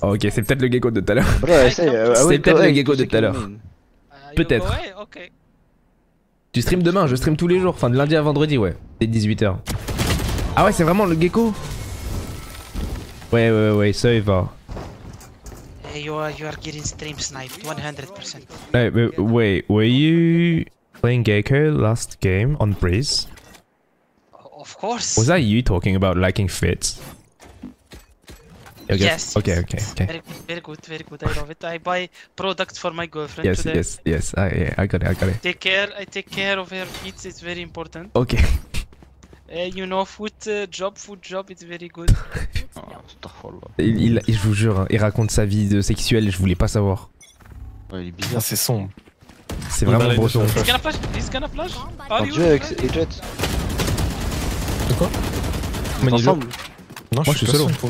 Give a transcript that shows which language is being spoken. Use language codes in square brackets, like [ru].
[fr] Oh, ok, c'est peut-être le gecko de tout à l'heure. C'est peut-être le gecko de tout à l'heure. Peut-être. Ok. Tu stream demain, je stream tous les jours, enfin de lundi à vendredi, ouais. C'est 18h. Ah ouais, c'est vraiment le gecko? Ouais, ça y va. [en] Hey, you are getting stream sniped, 100%. Hey, but wait, were you playing gecko last game on Breeze? Of course. Was that you talking about liking fits? Okay. Yes. Okay, okay, okay. Very good. I love it. I buy products for my girlfriend. Yes, today. Yes. I got it. I take care of her feet. It's very important. Okay. You know, food job, it's very good. [fr] Il, je vous jure, il raconte sa vie de sexuelle. Je voulais pas savoir. Ouais, il est bizarre, c'est sombre. C'est vraiment breton. [en] He's gonna flash. Are [fr] you? Et Jet. Quoi? Mais ensemble. Non, moi, je suis solo.